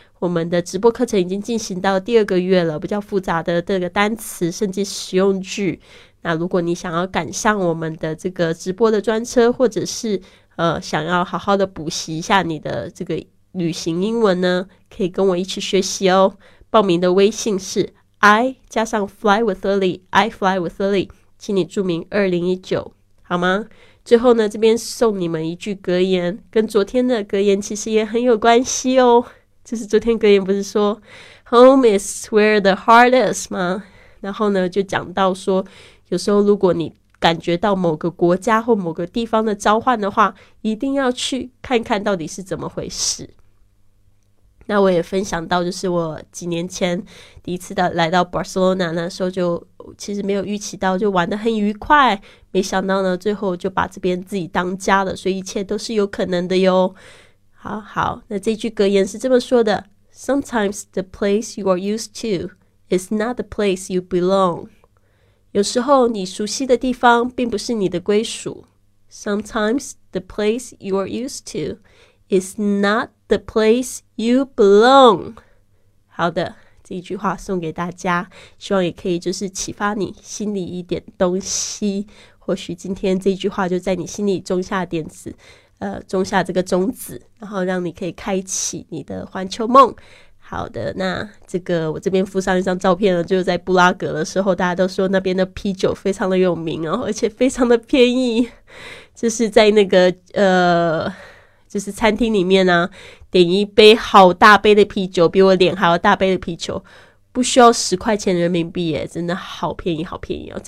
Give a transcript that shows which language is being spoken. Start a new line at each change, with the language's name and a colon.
Chinese: 我们的直播课程已经进行到第二个月了，比较复杂的这个单词甚至实用句。那如果你想要赶上我们的这个直播的专车，或者是想要好好的补习一下你的这个旅行英文呢，可以跟我一起学习哦。报名的微信是 I 加上 Fly with Lily, I Fly with Lily, 请你注明2019好吗？最后呢，这边送你们一句格言，跟昨天的格言其实也很有关系哦。就是昨天格言不是说
English: Home is where the heart is
Chinese: 吗？然后呢，就讲到说，有时候如果你感觉到某个国家或某个地方的召唤的话，一定要去看看到底是怎么回事。那我也分享到，就是我几年前第一次的来到 Barcelona， 那时候就其实没有预期到，就玩得很愉快，没想到呢最后就把这边自己当家了，所以一切都是有可能的哟。好好，那这句格言是这么说的，
English: Sometimes the place you are used to is not the place you belong。
Chinese: 有时候你熟悉的地方并不是你的归属。
English: Sometimes the place you are used to is not the place you belong。
Chinese: 好的，这一句话送给大家，希望也可以就是启发你心里一点东西，或许今天这一句话就在你心里种下点子，种下这个种子，然后让你可以开启你的环球梦。好的，那这个我这边附上一张照片了，就是在布拉格的时候，大家都说那边的啤酒非常的有名哦，而且非常的便宜，就是在那个就是餐厅里面啊，点一杯好大杯的啤酒，比我脸还要大杯的啤酒，不需要10块钱人民币耶，真的好便宜好便宜哦。